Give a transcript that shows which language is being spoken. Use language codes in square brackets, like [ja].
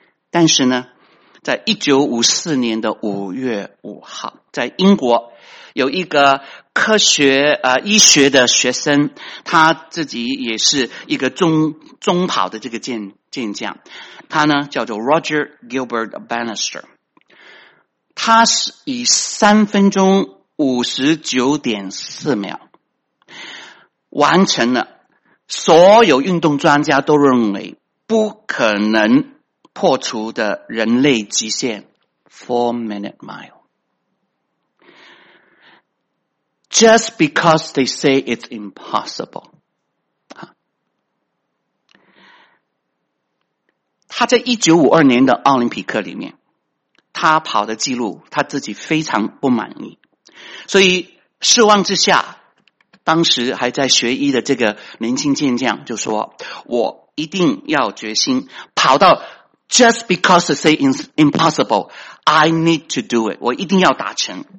[zh] 但是呢，在1954年的5月5号，在英国有一个科学医学的学生，他自己也是一个中跑的这个健将，他呢叫做 Roger Gilbert Bannister， 他是以3分钟59.4秒完成了所有运动专家都认为不可能破除的人类极限 4-minute mile。 [en] Just because they say it's impossible. [zh] 他在1952年的奥林匹克里面，他跑的记录他自己非常不满意，所以失望之下，当时还在学医的这个年轻健将就说，我一定要决心跑到 [en] just because they say it's impossible, I need to do it, [zh] 我一定要达成。